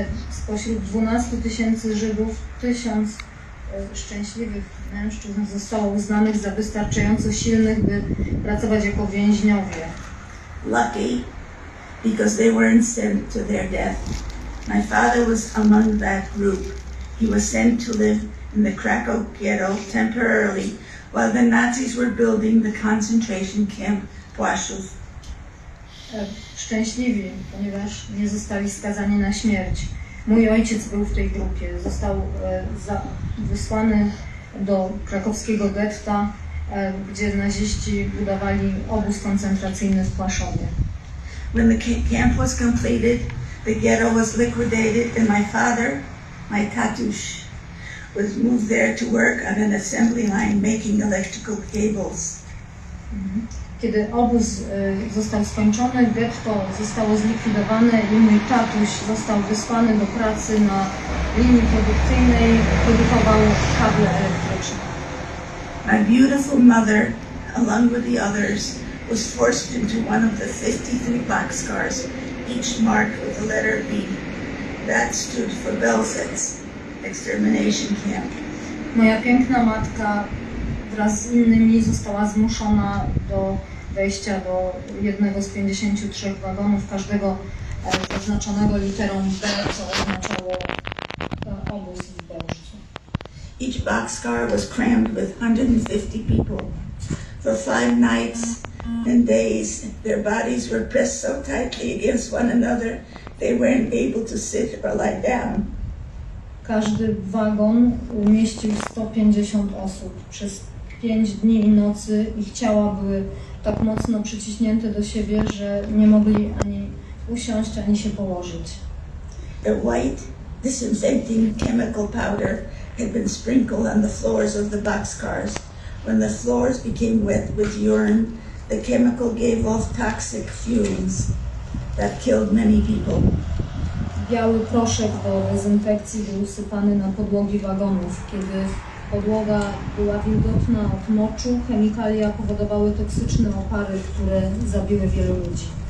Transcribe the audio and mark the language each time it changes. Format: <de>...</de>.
<pl>Spośród 12 tysięcy Żydów, 1,000 szczęśliwych mężczyzn zostało uznanych za wystarczająco silnych, by pracować jako więźniowie.</pl> <en>Lucky, because they weren't sent to their death. My father was among that group. He was sent to live in the Krakow ghetto temporarily while the Nazis were building the concentration camp Płaszów.</en> <pl>Szczęśliwi, ponieważ nie zostali skazani na śmierć. Mój ojciec był w tej grupie. Został wysłany do krakowskiego getta, gdzie naziści budowali obóz koncentracyjny w Płaszowie.</pl> <en>When the camp was completed, the ghetto was liquidated and my father, my tatuś, was moved there to work on an assembly line making electrical cables.</en> <pl>Kiedy obóz został skończony, getto zostało zlikwidowane i mój tatuś został wysłany do pracy na linii produkcyjnej, produkował kable elektryczne.</pl> <en>My beautiful mother, along with the others, was forced into one of the 53 boxcars, each marked with the letter B. That stood for Belzec, extermination camp.</en> <pl>Moja piękna matka wraz z innymi została zmuszona do wejścia do jednego z 53 wagonów, każdego oznaczonego literą B, co oznaczało obóz w Belzecu.</pl> <en>Each boxcar was crammed with 150 people. For five nights and days, their bodies were pressed so tightly against one another, they weren't able to sit or lie down.</en> <pl>Każdy wagon umieścił 150 osób. Przez 5 dni i nocy, ich ciała były tak mocno przyciśnięte do siebie, że nie mogli ani usiąść, ani się położyć.</pl> <en>A white disinfecting chemical powder had been sprinkled on the floors of the boxcars. When the floors became wet with urine, the chemical gave off toxic fumes that killed many people.</en> <pl>Biały proszek do dezynfekcji był usypany na podłogi wagonów. Kiedy podłoga była wilgotna od moczu, chemikalia powodowały toksyczne opary, które zabiły wielu ludzi.</pl>